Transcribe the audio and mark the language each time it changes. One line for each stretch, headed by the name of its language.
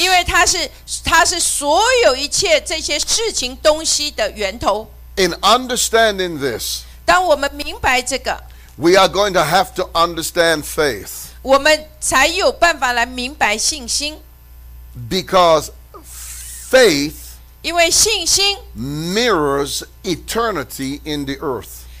Chinese: 因为他是所有一切这些事情东西的源头
English: In understanding this,
Chinese: 当我们明白这个,
English: we are going to have to understand faith.
Chinese: 我们才有办法来明白信心。
English: Because faith,
Chinese: 因为信心,
English: mirrors eternity in the earth.